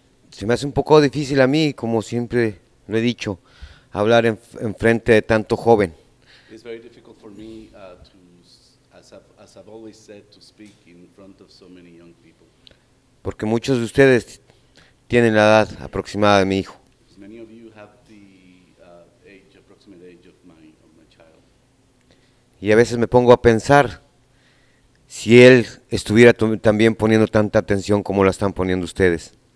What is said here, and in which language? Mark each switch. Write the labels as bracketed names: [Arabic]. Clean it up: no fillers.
[Spanish] Se me hace un poco difícil a mí, como siempre lo he dicho, hablar en frente de tanto joven. [English] It's very difficult for me to, as I've always said, to speak in front of so many young people. [Spanish] Porque muchos de ustedes tienen la edad aproximada de mi hijo. [English] Many of you have the approximate age of my child. [Spanish] Y a veces me pongo a pensar si él estuviera también poniendo tanta atención como la están poniendo ustedes.